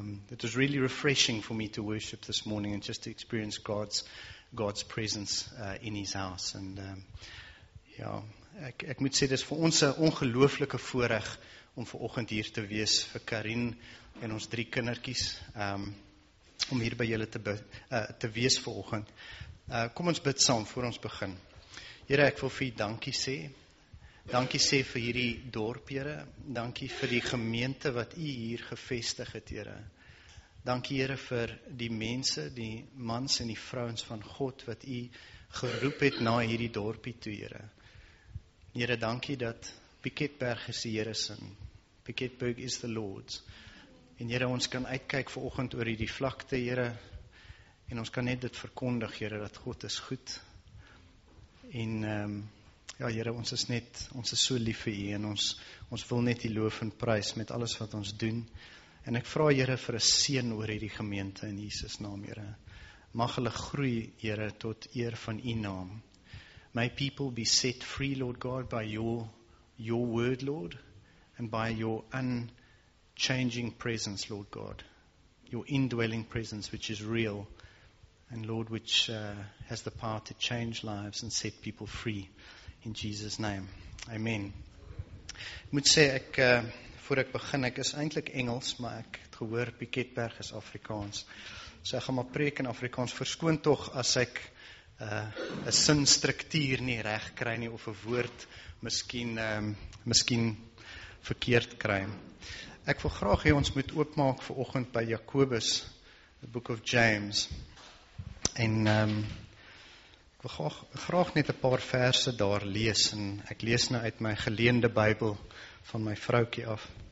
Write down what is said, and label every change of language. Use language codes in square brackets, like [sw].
[en] It was really refreshing for me to worship this morning and just to experience God's presence in his house. [af] And ek moet sê, dit is vir ons 'n ongelooflike voorreg om vanoggend hier te wees vir Karin en ons drie kindertjies. Om hier by julle te wees vanoggend. Kom ons bid saam voor ons begin. Here, ek wil vir u dankie sê. Dankie sê vir hierdie dorp, Here. Dankie vir die gemeente wat u hier gevestig het, Here. Dankie, Here, vir die mense, die mans en die vrouens van God, wat u geroep het na hierdie dorpie toe, Here. Here, dankie dat Piketberg is die Here se. [en] Piketberg is the Lord's. [af] En Here, ons kan uitkyk vanoggend oor hierdie vlakte, Here, en ons kan net dit verkondig, Here, dat God is goed. En Here, ons is so lief vir U en ons wil net U loof en prys met alles wat ons doen. En ek vra Here vir 'n seën oor hierdie gemeente in Jesus naam, Here. Mag hulle groei, Here, tot eer van U naam. [en] May people be set free, Lord God, by your word, Lord, and by your unchanging presence, Lord God, your indwelling presence, which is real, and Lord, which has the power to change lives and set people free, in Jesus' name, amen. [af] Ek moet sê, voor ek begin, ek is eintlik Engels, maar ek het gehoor, Piketberg is Afrikaans, so ek gaan maar preek in Afrikaans, verskoon tog as ek een sinstruktuur nie reg kry nie, of een woord miskien verkeerd kry. Ek wil graag hê ons moet oopmaak vir oggend by Jakobus, [en] the book of James. [af] En ek wil graag net 'n paar verse daar lees. En ek lees nou uit my geleende Bybel van my vroukie af.